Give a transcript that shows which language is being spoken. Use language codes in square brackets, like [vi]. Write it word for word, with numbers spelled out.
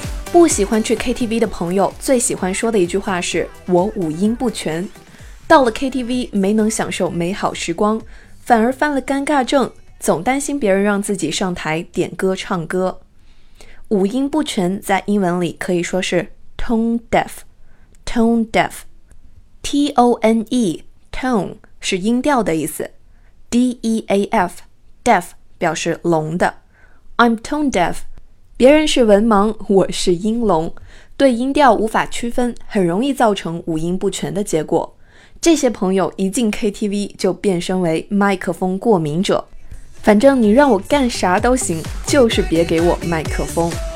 [zh] 不喜欢去 K T V 的朋友最喜欢说的一句话是“我五音不全”。到了 K T V 没能享受美好时光，反而犯了尴尬症，总担心别人让自己上台点歌唱歌。五音不全在英文里可以说是 tone deaf。 [en] tone deaf。 [zh] T O N E tone 是音调的意思。 D E A F deaf 表示聋的。 [en] I'm tone deaf。 [zh] 别人是文盲，我是音聋，对音调无法区分，很容易造成五音不全的结果。这些朋友一进 K T V 就变身为麦克风过敏者。反正你让我干啥都行，就是别给我麦克风。